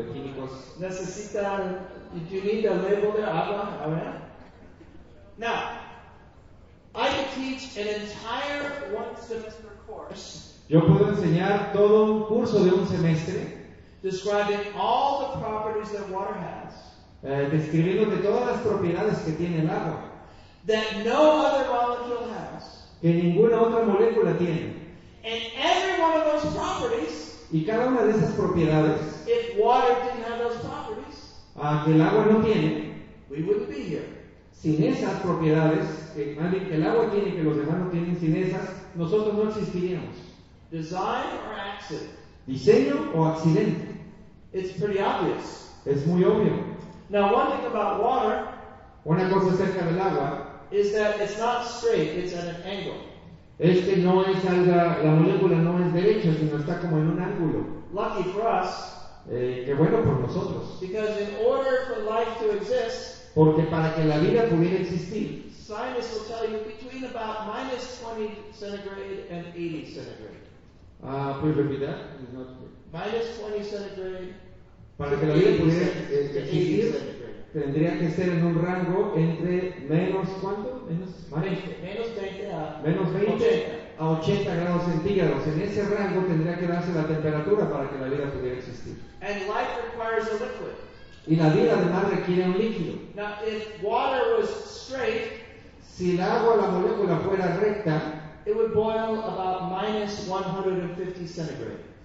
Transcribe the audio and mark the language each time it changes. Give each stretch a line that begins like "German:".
English: it works, but you can't see it. All right.
Spanish: H-O-H. A ver, químicos. Necesita,
English: do you need a label
Spanish: de agua? A ver.
English: Now, I can teach an entire one semester course.
Spanish: Yo puedo enseñar todo un curso de un semestre.
English: Describing all the properties that water has.
Spanish: Describiendo de todas las propiedades que tiene el agua.
English: That no other molecule has.
Spanish: Que ninguna otra molécula tiene.
English: And every one of those properties.
Spanish: Y cada una de esas propiedades.
English: If water didn't have those properties.
Spanish: Que el agua no tiene.
English: We wouldn't be here.
Spanish: Sin esas propiedades que el agua tiene, que los demás no tienen, sin esas, nosotros no existiríamos.
English: Design or accident.
Spanish: Diseño o accidente.
English: It's pretty obvious.
Spanish: Es muy obvio.
English: Now, one thing about water,
Spanish: una cosa acerca del agua,
English: is that it's not straight, it's at an angle.
Spanish: Es que no es alga, la molécula no es derecha, sino está como en un ángulo.
English: Lucky for us,
Spanish: qué bueno por nosotros.
English: Because in order for life to exist,
Spanish: porque para que la vida pudiera existir,
English: scientists will tell you between about minus 20 centigrade and 80 centigrade. Please repeat that. Not... Minus 20 centigrade.
Spanish: Para que la vida pudiera existir, tendría que ser en un rango entre menos, ¿cuánto? Menos 20 a 80 grados centígrados. En ese rango tendría que darse la temperatura para que la vida pudiera existir.
English: And life requires a liquid.
Spanish: Y la vida además requiere un líquido.
English: Now, if water was straight,
Spanish: si el agua, la molécula fuera recta,
English: it would boil about minus 150 centigrade.